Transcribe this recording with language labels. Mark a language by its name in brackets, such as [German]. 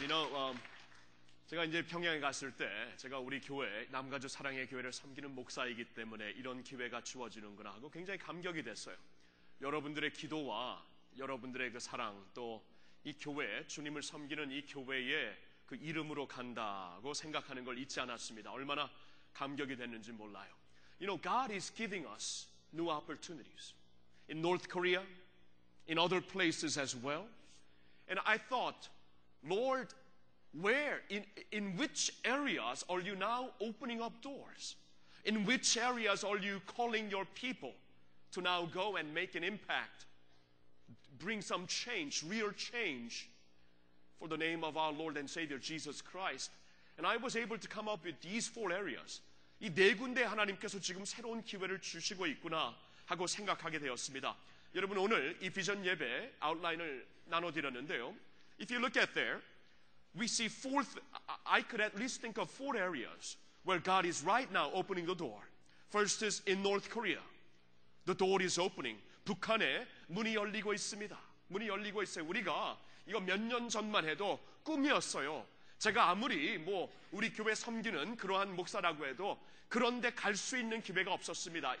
[English] You know, [Korean] 제가 이제 평양에 갔을 때 제가 우리 교회 남가주 사랑의 교회를 섬기는 목사이기 때문에 이런 기회가 주어지는구나 하고 굉장히 감격이 됐어요. 여러분들의 기도와 여러분들의 그 사랑 또 이 교회 주님을 섬기는 이 교회의 그 이름으로 간다고 생각하는 걸 잊지 않았습니다. 얼마나 감격이 됐는지 몰라요. [English] You know, God is giving us new opportunities in North Korea, in other places as well. And I thought, Lord, where, in which areas are you now opening up doors? In which areas are you calling your people to now go and make an impact, bring some change, real change for the name of our Lord and Savior Jesus Christ? And I was able to come up with these four areas. [Korean] 이 네 군데 하나님께서 지금 새로운 기회를 주시고 있구나 하고 생각하게 되었습니다. 여러분 오늘 이 비전 예배 아웃라인을 나눠드렸는데요. [English] If you look at there, we see four, I could at least think of four areas where God is right now opening the door. First is in North Korea. The door is opening. [Korean] 북한에 문이 열리고 있습니다. 문이 열리고 있어요. 우리가 이거 몇 년 전만 해도 꿈이었어요. 제가 아무리 뭐 우리 교회 섬기는 그러한 목사라고 해도 그런데 갈 수 있는 기회가 없었습니다.